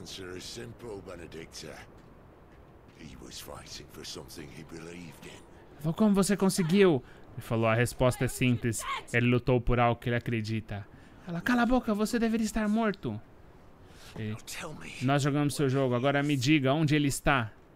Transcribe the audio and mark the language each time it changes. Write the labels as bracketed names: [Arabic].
[Portuguese] resposta é simples, Benedicta. [English] He was fighting for something he believed in. [Portuguese] Como você conseguiu? Ele falou, a resposta é simples. Ele lutou por algo que ele acredita. Ela, cala a boca, você deveria estar morto. Ele, nós jogamos seu jogo, agora me diga onde ele está.